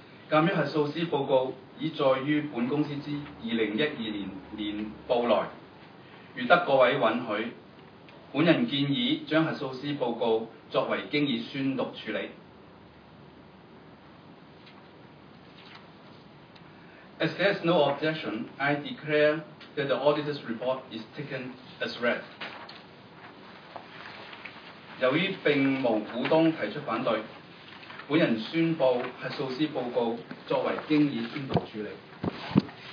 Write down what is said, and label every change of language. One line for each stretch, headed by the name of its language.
Cantonese: 鑑於核數師報告已載於本公司之2012年年報內，如得各位允許，本人建議將核數師報告作為經已宣讀處理。
English: As there is no objection, I declare that the auditor's report is taken as read.
Cantonese: 由於並無股東提出反對，本人宣布核數師報告作為經已宣讀處理。